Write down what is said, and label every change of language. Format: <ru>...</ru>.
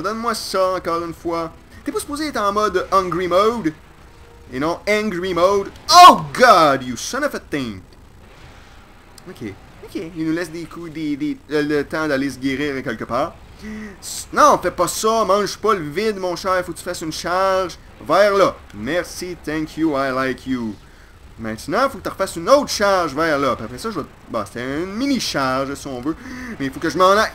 <fr>Donne-moi ça, encore une fois. T'es pas supposé être en mode Hungry Mode? Et non,</fr> <en>Angry Mode. Oh, God, you son of a thing! Ok.</en> <fr>Ok, il nous laisse des coups, le temps d'aller se guérir quelque part. Non, fais pas ça, mange pas le vide, mon cher, faut que tu fasses une charge vers là.</fr> <en>Merci, thank you, I like you.</en> <fr>Maintenant, faut que tu refasses une autre charge vers là. Puis après ça, je vais... Bon, c'était une mini-charge, si on veut. Mais il faut que je m'en aille...</fr>